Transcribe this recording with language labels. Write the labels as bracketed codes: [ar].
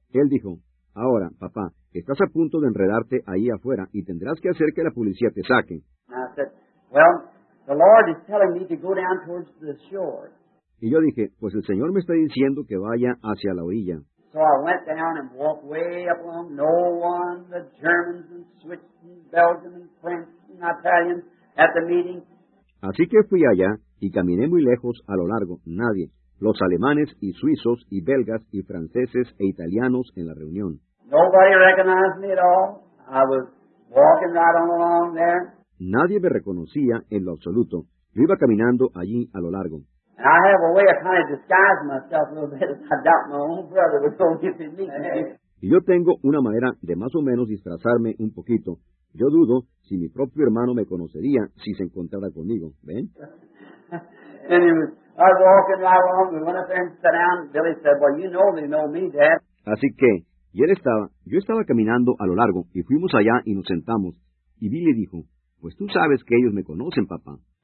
[es] Él dijo, ahora, papá, estás a punto de enredarte ahí afuera y tendrás que hacer que la policía te saque. [en] And I said, well, the Lord is telling me to go down towards the shore. [es] Y yo dije, pues el Señor me está diciendo que vaya hacia la orilla. [en] So I went down and walked way up along. No one, the Germans and Swiss and Belgians and French and Italians at the meeting. [es] Así que fui allá y caminé muy lejos a lo largo. Nadie. Los alemanes y suizos y belgas y franceses e italianos en la reunión. [en] Nobody recognized me at all. I was walking right on along there. [es] Nadie me reconocía en lo absoluto. Yo iba caminando allí a lo largo. [en] And I have a way of kind of disguising myself a little bit. I doubt my own brother was going to get me. [es] Y yo tengo una manera de más o menos disfrazarme un poquito. Yo dudo si mi propio hermano me conocería si se encontrara conmigo. ¿Ven? [en] Anyway, I was walking right along. We went up there and sat down. Billy said, well, you know they know me, Dad. [es] Así que, y él estaba, yo estaba caminando a lo largo y fuimos allá y nos sentamos. Y Billy dijo, pues tú sabes que ellos me conocen, papá.